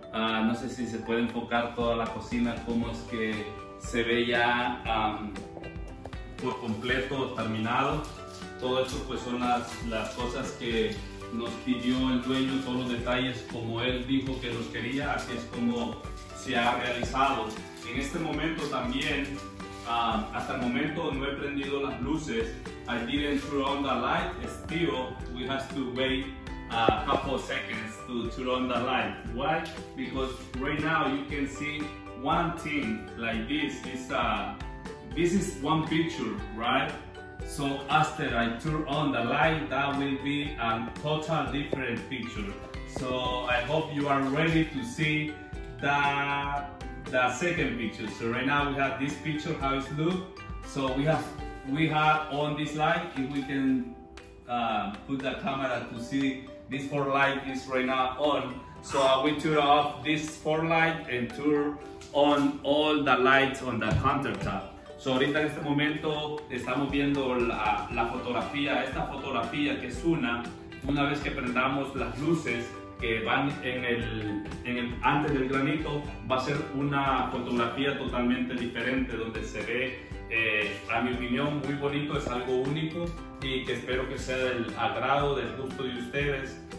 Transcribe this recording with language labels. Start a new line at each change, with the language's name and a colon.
Spanish: No sé si se puede enfocar toda la cocina, cómo es que se ve ya por completo, terminado. Todo esto pues son las cosas que nos pidió el dueño, todos los detalles como él dijo que los quería, así es como se ha realizado. En este momento también, hasta el momento no he prendido las luces.
English: I didn't turn on the light, still we have to wait a couple of seconds to turn on the light. Why? Because right now you can see one thing like this. This is one picture, right? So after I turn on the light, that will be a total different picture. So I hope you are ready to see the second picture. So right now we have this picture, how it look. So we have on this light, if we can put the camera to see this four light is right now on. So we turn off this four light and turn on all the lights on the countertop.
Spanish: So, ahorita en este momento estamos viendo la fotografía, esta fotografía que es una vez que prendamos las luces que van en el antes del granito, va a ser una fotografía totalmente diferente donde se ve, a mi opinión, muy bonito, es algo único y que espero que sea del agrado, del gusto de ustedes.